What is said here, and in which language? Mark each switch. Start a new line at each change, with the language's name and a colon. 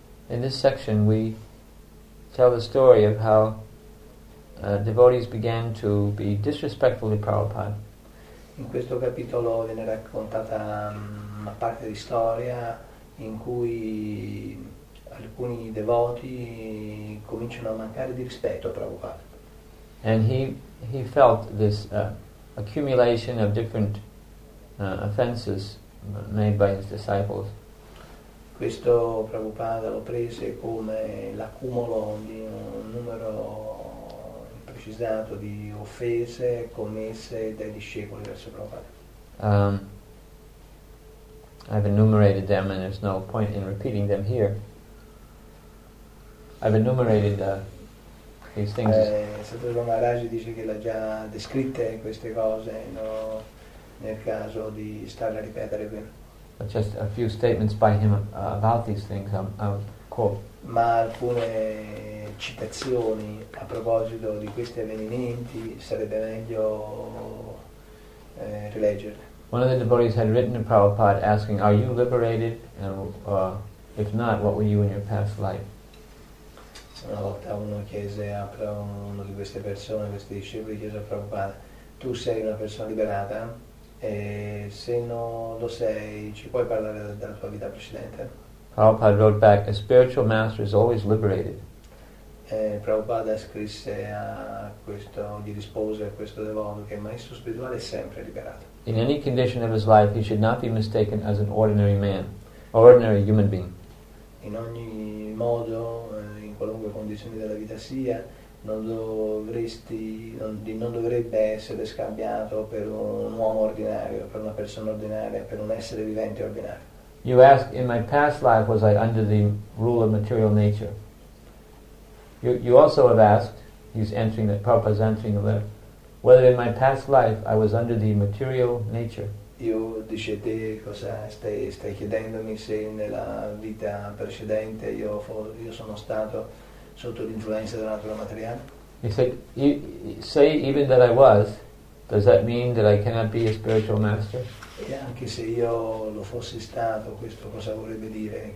English: In this section we tell the story of how devotees began to be disrespectful to Prabhupada.
Italian: In questo capitolo viene raccontata una parte di storia in cui alcuni devoti cominciano a mancare di rispetto a Prabhupada.
English: And he felt this accumulation of different offenses made by his disciples.
Italian: Questo Prabhupada lo prese come l'accumulo di un numero imprecisato di offese commesse dai discepoli verso Prabhupada.
English: I've enumerated them, and there's no point in repeating them here. I've enumerated these things as
Italian: Satyabhama Maharaj dice che l'ha già descritte queste cose, no, nel caso di starle a ripetere qui.
English: just a few statements by him about these things. I'll quote.
Italian: Ma alcune citazioni a proposito di questi avvenimenti sarebbe meglio rileggerle.
English: One of the devotees had written to Prabhupada asking, "Are you liberated? If not, what were you in your past life?"
Italian: Una volta uno chiese a uno di queste persone, questi discepoli, chiese a Prabhupada: tu sei una persona liberata? E se non lo sei, ci puoi parlare della tua vita precedente?
English: Prabhupada wrote back, "A spiritual master is always liberated."
Italian: Prabhupada scrisse a questo, gli rispose a questo devoto che il maestro spirituale è sempre liberato.
English: In any condition of his life, he should not be mistaken as an ordinary man, ordinary human being.
Italian: In ogni modo, in qualunque condizione della vita sia, non dovrebbe essere scambiato per un uomo ordinario, per una persona ordinaria, per un essere vivente ordinario.
English: You ask, in my past life, was I under the rule of material nature? You also have asked, he's answering that Prabhupada's answering the letter, whether in my past life I was under the material nature.
Italian: Io dice te cosa stai chiedendomi se nella vita precedente io sono stato sotto l'influenza della natura materiale?
English: He said, "Say even that I was, does that mean that I cannot be a spiritual master?"
Italian: E anche se io lo fossi stato, questo cosa vorrebbe dire?